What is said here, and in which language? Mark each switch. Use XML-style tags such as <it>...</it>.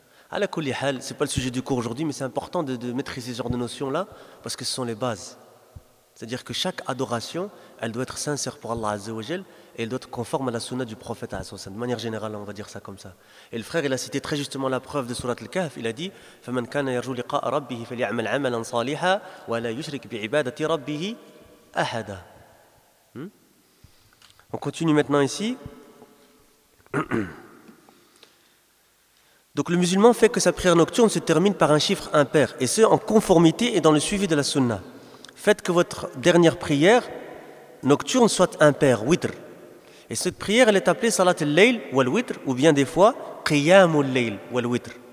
<ar>À la kulli hal,</ar> <fr>c'est pas le sujet du cours aujourd'hui, mais c'est important de maîtriser ce genre de notions-là parce que ce sont les bases. C'est-à-dire que chaque adoration, elle doit être sincère pour Allah Azza wa Jal et elle doit être conforme à la sunna du prophète Azza wa Jal. De manière générale, on va dire ça comme ça. Et le frère, il a cité très justement la preuve de Surat Al-Kahf. Il a dit</fr> <ar>« فَمَنْ كَانَ يَرْجُوا لِقَاءَ رَبِّهِ فَلْيَعْمَلْ عَمَلًا صَالِحًا وَلَا يُشْرِكْ بِعِبَادَةِ رَبِّهِ أَحَدًا »</ar> <fr>On continue maintenant ici. Donc le musulman fait que sa prière nocturne se termine par un chiffre impair et ce, en conformité et dans le suivi de la sunna. Faites que votre dernière prière nocturne soit impair, witr. Et cette prière, elle est appelée salat al-layl wal witr, ou bien des fois, qiyam al-layl wal witr.</fr>